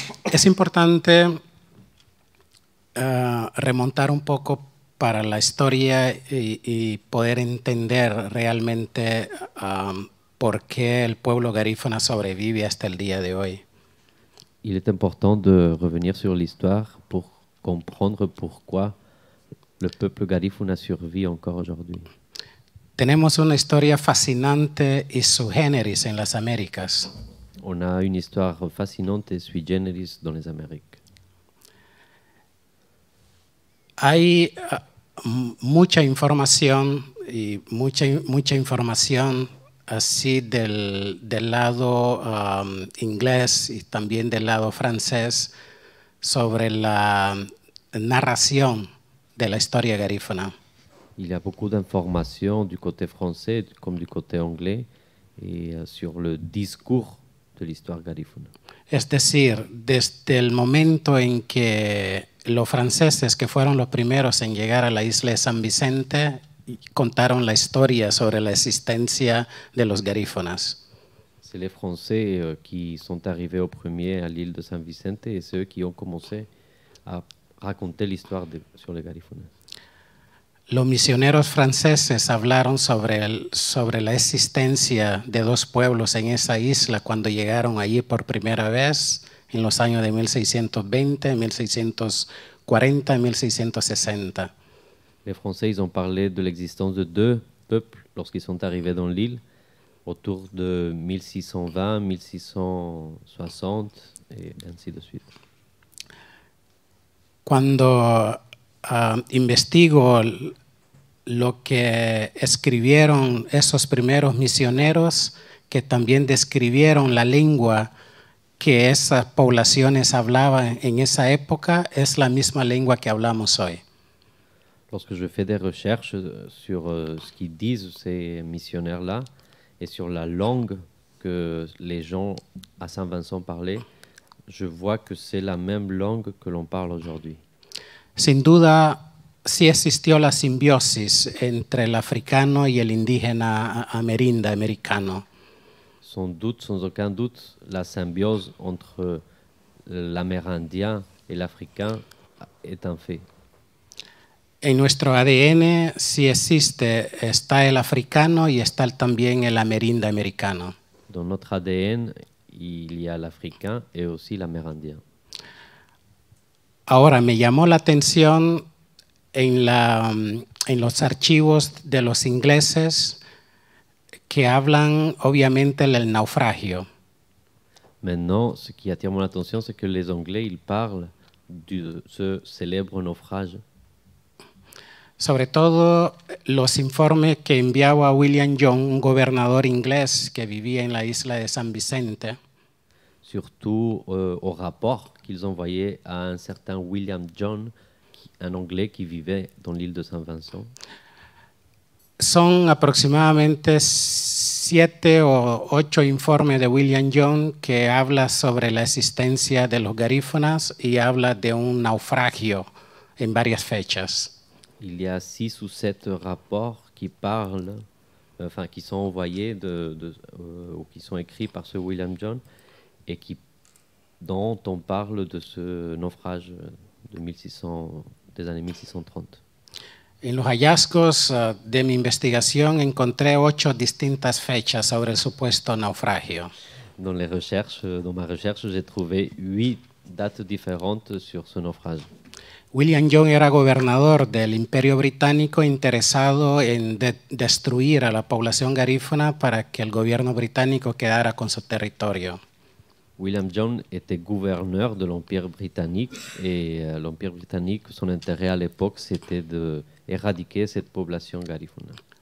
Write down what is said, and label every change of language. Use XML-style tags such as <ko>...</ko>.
<es>Es importante remontar un poco para la historia y poder entender realmente por qué el pueblo garífuna sobrevive hasta el día de hoy.</es> <fr>Il est important de revenir sur l'histoire pour comprendre pourquoi le peuple garífuna survit encore aujourd'hui.</fr> <es>Tenemos una historia fascinante y sui generis en las Américas.</es> <fr>On a une histoire fascinante et sui generis dans les Amériques.</fr> <es>Hay mucha información y mucha información así del lado inglés y también del lado francés sobre la</es> <fr>narration de la histoire</fr> <es>garifuna.</es> <fr>Il y a beaucoup d'informations du côté français comme du côté anglais et sur le discours de l'histoire garifuna.</fr> <es>Es decir, desde el momento en que los franceses, que fueron los primeros en llegar a la isla de San Vicente, contaron la historia sobre la existencia de los garífunas.</es> <fr>C'est les Français qui sont arrivés au premier à l'île de San Vicente et ceux qui ont commencé à raconter l'histoire de, sur les garífunas.</fr> <es>Los misioneros franceses hablaron sobre el, sobre la existencia de dos pueblos en esa isla cuando llegaron allí por primera vez en los años de 1620, 1640, 1660.</es> <fr>Les Français, ils ont parlé de l'existence de deux peuples lorsqu'ils sont arrivés dans l'île autour de 1620, 1660 et ainsi de suite.</fr> <es>Cuando investigo lo que escribieron esos primeros misioneros que también describieron la lengua que esas poblaciones hablaban en esa época, es la misma lengua que hablamos hoy.</es> <fr>Lorsque je fais des recherches sur ce qu'ils disent ces missionnaires-là et sur la langue que les gens à Saint-Vincent parlaient, je vois que c'est la même langue que l'on parle aujourd'hui.</fr> <es>Sin duda, sí existió la simbiosis entre el africano y el indígena amerinda americano.</es> <fr>Sans doute, sans aucun doute, la symbiose entre l'amérindien et l'africain est un fait.</fr> <es>En nuestro ADN, si existe, está el africano y está también el amerinda americano.</es> <fr>Dans notre ADN, il y a l'africain et aussi l'amérindien.</fr> <es>Ahora, me llamó la atención en, la, en los archivos de los ingleses que hablan, obviamente, del naufragio.</es> <fr>Maintenant, ce qui attire mon attention, c'est que les Anglais, ils parlent de ce célèbre naufrage.</fr> <es>Sobre todo los informes que enviaba William Young, un gobernador inglés que vivía en la isla de San Vicente.</es> <fr>Surtout au rapport qu'ils envoyaient à un certain William John, un anglais qui vivait dans l'île de San Vincent.</fr> <es>Son aproximadamente 7 o 8 informes de William John que habla sobre la existencia de los garífunas y habla de un naufragio en varias fechas.</es> <fr>Il y a 6 ou 7 rapports qui parlent, enfin qui sont envoyés ou qui sont écrits par ce William John et qui, dont on parle de ce naufrage de 1600, des années 1630.</fr> <es>En los hallazgos de mi investigación encontré 8 distintas fechas sobre el supuesto naufragio.</es> <fr>Dans les recherches, dans ma recherche, j'ai trouvé 8 dates différentes sur ce naufrage.</fr> <es>William John era gobernador del Imperio Británico interesado en destruir a la población garífuna para que el gobierno británico quedara con su territorio.</es> <fr>William John était gouverneur de l'Empire Britannique et l'Empire Britannique, son intérêt à l'époque, c'était d'éradiquer cette población garífuna.</fr>